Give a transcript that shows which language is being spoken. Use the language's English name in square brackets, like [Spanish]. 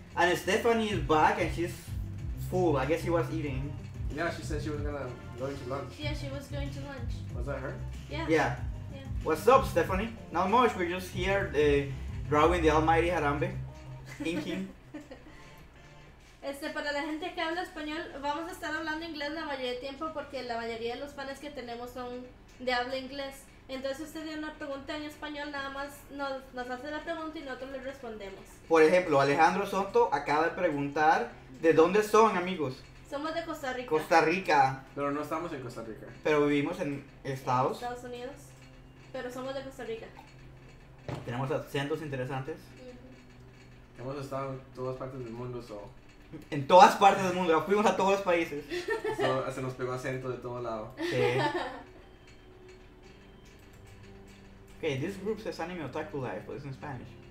[English] And Stephanie is back and she's full. I guess she was eating. Yeah, she said she was going to lunch. Yeah, she was going to lunch. Was that her? Yeah. What's up, Stephanie? Not much, we're just here drawing the almighty Harambe. Inking. [Spanish] Para la gente que habla español, vamos a estar hablando inglés la mayoría del tiempo porque la mayoría de los fans que tenemos son de habla inglés. Entonces usted tiene una pregunta en español, nada más nos hace la pregunta y nosotros le respondemos. Por ejemplo, Alejandro Soto acaba de preguntar, ¿de dónde son, amigos? Somos de Costa Rica. Costa Rica. Pero no estamos en Costa Rica. Pero vivimos en Estados. En Estados Unidos. Pero somos de Costa Rica. Tenemos acentos interesantes. Uh-huh. Hemos estado en todas partes del mundo, so. En todas partes del mundo, fuimos a todos los países. So, se nos pegó acento de todo lado. Sí. [English] Okay, this group says anime otaku life, but it's in Spanish.